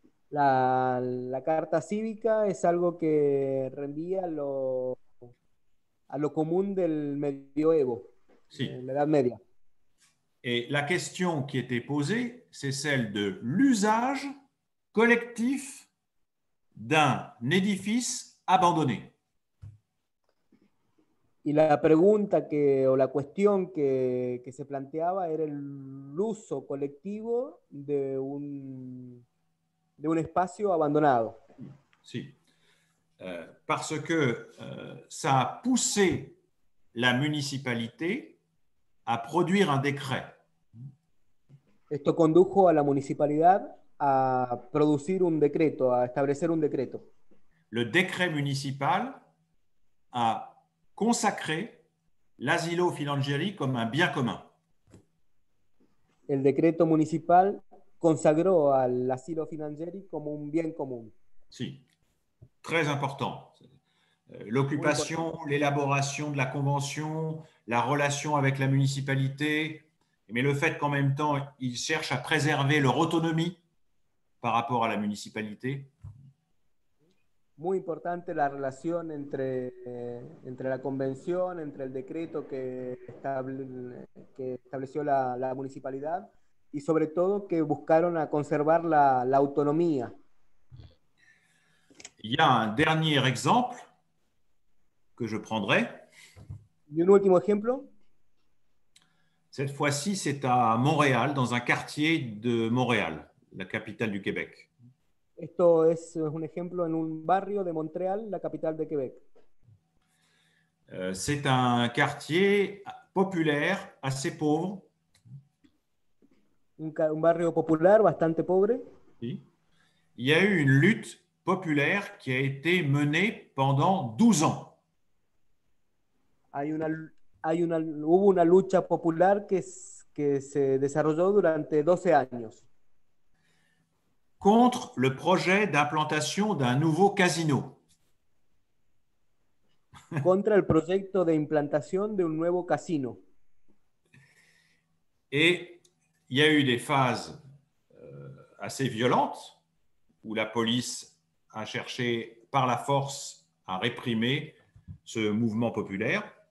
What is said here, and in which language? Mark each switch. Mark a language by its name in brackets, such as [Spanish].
[Spanish] La carta cívica es algo que rendía a lo común del medioevo. Sí. L'Edad Media. [French] Et la question qui était posée, c'est celle de l'usage collectif d'un édifice abandonné. [Spanish] Y la pregunta la cuestión que se planteaba era el uso colectivo de un espacio abandonado. Sí. [French] Parce que ça a poussé la municipalité à produire un décret. [Spanish] Esto condujo a la municipalidad a producir un decreto, a establecer un decreto. [French] Le décret municipal a consacré l'asilo Filangieri comme un bien commun. [Spanish] El decreto municipal consagró al asilo Filangieri como un bien común. Sí, [French] très important. L'occupation, l'élaboration de la convention, la relation avec la municipalité, mais le fait qu'en même temps, ils cherchent à préserver leur autonomie par rapport à la municipalité. [Spanish] Muy importante la relación entre la convención, entre el decreto que estableció la municipalidad y sobre todo que buscaron a conservar la autonomía. [French] Il y a un dernier exemple que je prendrai. [Spanish] Y un último ejemplo. [French] Cette fois-ci, c'est à Montréal, dans un quartier de Montréal, la capitale du Québec. [Spanish] Esto es un ejemplo en un barrio de Montreal, la capital de Québec. [French] C'est un quartier populaire, assez pauvre. [Spanish] Un barrio popular, bastante pobre. Sí. [French] Il y a eu une lutte populaire qui a été menée pendant 12 ans. [Spanish] Hubo una lucha popular que, que se desarrolló durante 12 años. [French] Contre le projet d'implantation d'un nouveau casino. [Spanish] Contra el proyecto de implantación de un nuevo casino. [French] Et il y a eu des phases assez violentes où la police a cherché par la force à réprimer ce mouvement populaire.